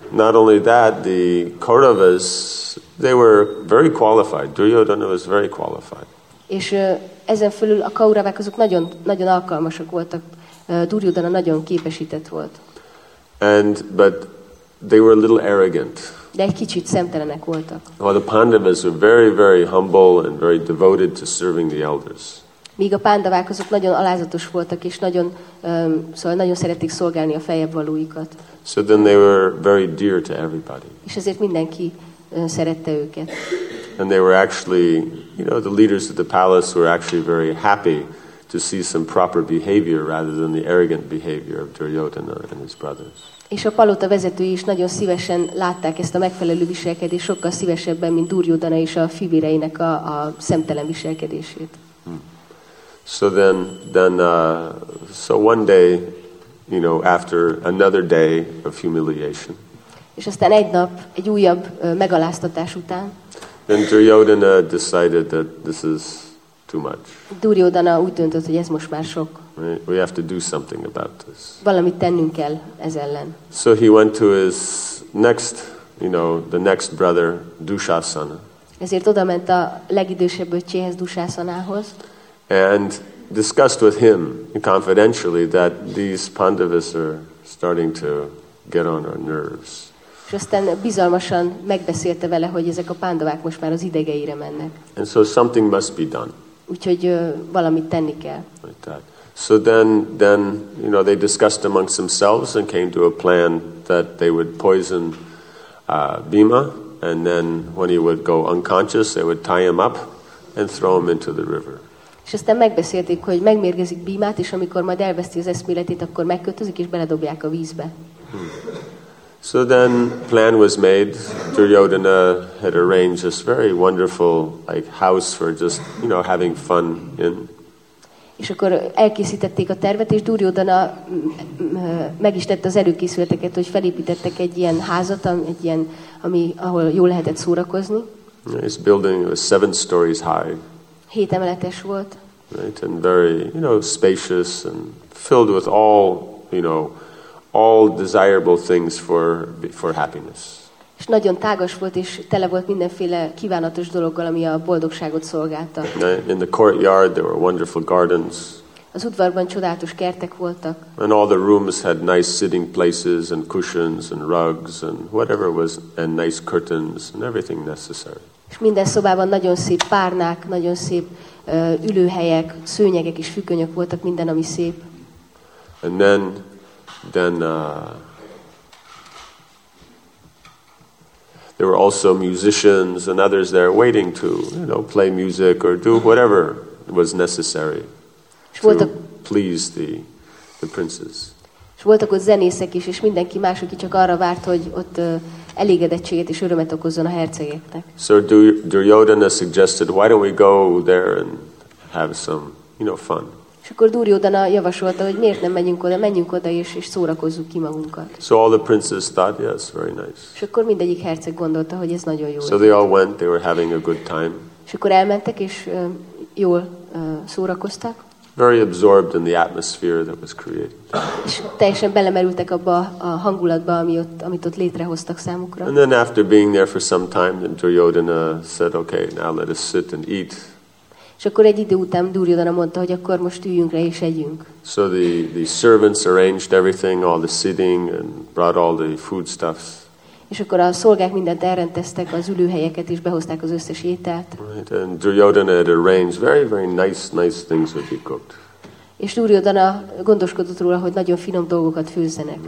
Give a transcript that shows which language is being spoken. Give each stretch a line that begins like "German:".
English: Not only that, the Kauravas, they were very qualified. Duryodhana was very qualified.
Hungarian: És ezen fölül a Kauravák azok nagyon nagyon alkalmasak voltak. Duryodhana nagyon képesített volt.
English: But they were a little arrogant.
Hungarian: De egy kicsit szemtelenek voltak.
English: Well, the Pandavas were very very humble and very devoted to serving the elders.
Hungarian: Míg a Pandavák azok nagyon alázatos voltak és nagyon szóval nagyon szeretik szolgálni a feljebb valóikat.
English: So then they were very dear to everybody.
Hungarian: És ezért mindenki szerette őket.
English: And they were actually, you know, the leaders of the palace were actually very happy to see some proper behavior rather than the arrogant behavior of Duryodhana and his brothers.
Hungarian: És a palota vezetői is nagyon szívesen látták ezt a megfelelő viselkedést, sokkal szívesebben, mint Duryodhana és a fivéreinek a szemtelen viselkedését.
English: So one day, you know, after another day of humiliation.
Hungarian: És aztán egy nap, egy újabb megaláztatás után,
English: then Duryodhana decided that this is too much.
Hungarian: Duryodhana úgy döntött, hogy ez most már sok.
English: We have to do something about this.
Hungarian: Valamit tennünk kell ez ellen.
English: So he went to his next, you know, the next brother, Dushasana.
Hungarian: Ezért oda ment a legidősebb öccséhez, Dushasanához.
English: And discussed with him confidentially that these Pandavas are starting to get on our nerves.
Hungarian: És aztán bizalmasan megbeszélte vele, hogy ezek a Pandavák most már az idegeire mennek.
English: And so something must be done.
Hungarian: Úgyhogy valamit tenni kell.
English: Right. So then, you know, they discussed amongst themselves and came to a plan that they would poison Bhima, and then when he would go unconscious, they would tie him up and throw him into the river.
Hungarian: És aztán megbeszélték, hogy megmérgezik Bhimát, és amikor majd elveszti az eszméletét, akkor megkötözik és beledobják a vízbe.
English: So then plan was made. Duryodhana had arranged this very wonderful like house for just, you know, having fun in.
Hungarian: És akkor elkészítették a tervet, és Duryodhana meg is tette az előkészületeket, hogy felépítettek egy ilyen házat, egy ilyen, ami ahol jól lehetett szórakozni.
English: This building was 7 stories high.
Hungarian: 7 emeletes volt.
English: Right, and very, you know, spacious and filled with all, you know, all desirable things for happiness.
Hungarian: És nagyon tágas volt és tele volt mindenféle kívánatos dologgal, ami a boldogságot szolgálta.
English: In the courtyard there were wonderful gardens.
Hungarian: Az udvarban csodálatos kertek voltak.
English: And all the rooms had nice sitting places and cushions and rugs and whatever was, and nice curtains and everything necessary.
Hungarian: És minden szobában nagyon szép párnák, nagyon szép ülőhelyek, szőnyegek és fükönyök voltak, minden ami szép.
English: And then There were also musicians and others there waiting to, you know, play music or do whatever was necessary to please the princes.
Hungarian: És voltak ott zenészek is, és mindenki más, aki csak arra várt, hogy ott elégedettséget és örömet okozzon a hercegeknek.
English: So Duryodhana suggested, why don't we go there and have some, you know, fun?
Hungarian: És akkor Duryodhana javasolta, hogy miért nem menjünk oda és szórakozzuk ki magunkat.
English: So all the princes thought, yes, very nice.
Hungarian: És akkor mindegyik herceg gondolta, hogy ez nagyon jó.
English: So they all went, they were having a good time.
Hungarian: És akkor elmentek és jól szórakoztak.
English: Very absorbed in the atmosphere that was created.
Hungarian: És teljesen belemerültek abba a hangulatba, amit ott létrehoztak számukra.
English: And then after being there for some time, then Duryodhana said, okay, now let us sit and eat.
Hungarian: És akkor egy idő után Duryodhana mondta, hogy akkor most üljünk le és együnk.
English: So the servants arranged everything, all the seating, and brought all the foodstuffs.
Hungarian: És akkor a szolgák mindent elrendeztek, az ülőhelyeket is, behozták az összes ételt.
English: Right, and Duryodhana had arranged very, very nice things that he cooked.
Hungarian: És Duryodhana gondoskodott róla, hogy nagyon finom dolgokat főzzenek.